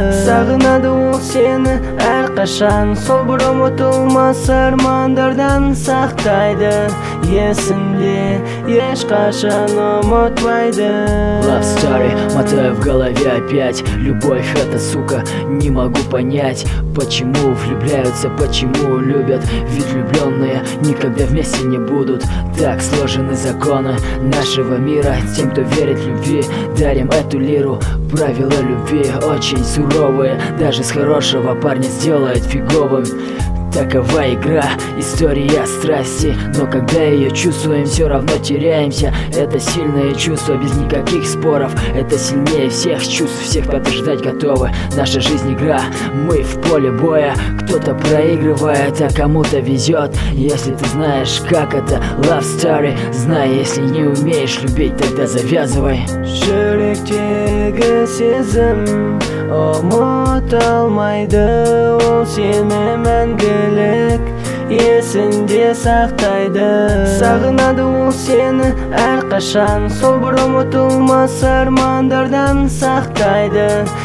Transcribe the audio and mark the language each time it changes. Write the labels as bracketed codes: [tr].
[kk] Сағынады ол сені әрқашан. Сол бір ұмытылмас армандардан сақтайды. Есінде ешқашан ұмытпайды. [en] Love story, [ru] мотаю в голове опять. Любовь это, сука, не могу понять. Почему влюбляются, почему любят? Ведь влюбленные никогда вместе не будут. Так сложены законы нашего мира. Тем, кто верит в любви, дарим эту лиру. Правила любви очень суровые. Даже с хорошего парня сделают фиговым. Такова игра, история страсти. Но когда ее чувствуем, все равно теряемся. Это сильное чувство, без никаких споров. Это сильнее всех чувств, всех подождать готовы. Наша жизнь игра, мы в поле боя. Кто-то проигрывает, а кому-то везет. Если ты знаешь, как это, [en] love story. [ru] Знай, если не умеешь любить, тогда завязывай. [kk] Жүректегі сезім ұмытылмайды, ол сені мәңгілік есінде сақтайды. Сағынады ол сені әрқашан. Сол бір ұмытылмас армандардан сақтайды.